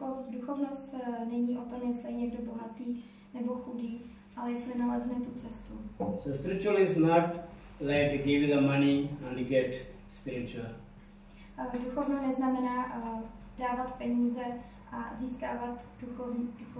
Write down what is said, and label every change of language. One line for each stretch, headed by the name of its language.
Czech: Duchovnost není o tom, jestli je někdo bohatý nebo chudý, ale jestli nalezne tu cestu.
English: So spiritual is not like to give the money and get spiritual.
Czech: Duchovno neznamená dávat peníze a získávat duchovní.